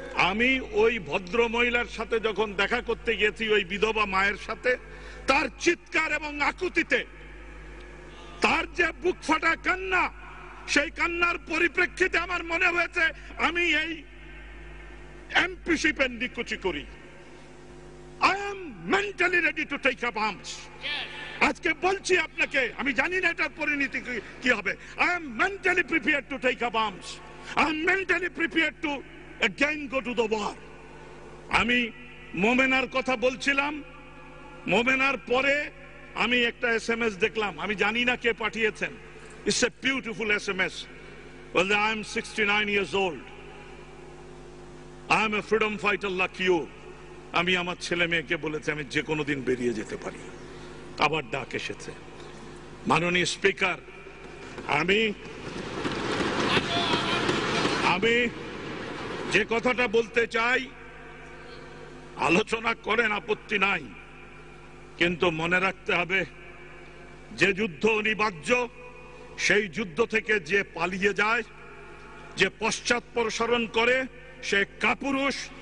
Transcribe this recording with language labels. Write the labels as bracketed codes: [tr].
[bn] আমি ওই ভদ্র মহিলার সাথে যখন দেখা করতে গিয়েছি ওই বিধবা মায়ের সাথে, তার চিৎকার এবং আকুতিতে, তার যে বুক ফাটা কান্না, সেই কান্নার পরিপ্রেক্ষিতে আমার মনে হয়েছে আমি এই এমপিশিপের নিকুচি করি। [en] I am mentally ready to take up arms. [bn] আজকে বলছি আপনাকে, আমি জানি না এটার পরিণতি কি হবে। [en] I am mentally prepared to take up arms. I am mentally prepared to again go to the war. [bn] আমি মোমেনার কথা বলছিলাম, মোমেনার পরে আমি একটা SMS দেখলাম, আমি জানি না কে পাঠিয়েছেন। [en] It's a beautiful SMS. Well, I am 69 years old. I am a freedom fighter like you. [bn] আমি আমার ছেলে মেয়েকে বলেছি আমি যে কোনো দিন বেরিয়ে যেতে পারি, আবার ডাক এসেছে। মাননীয় স্পিকার, আমি আমি যে কথাটা বলতে চাই, আলোচনা করেন আপত্তি নাই, কিন্তু মনে রাখতে হবে যে যুদ্ধ অনিবার্য, সেই যুদ্ধ থেকে যে পালিয়ে যায়, যে পশ্চাৎপসরণ করে সে কাপুরুষ।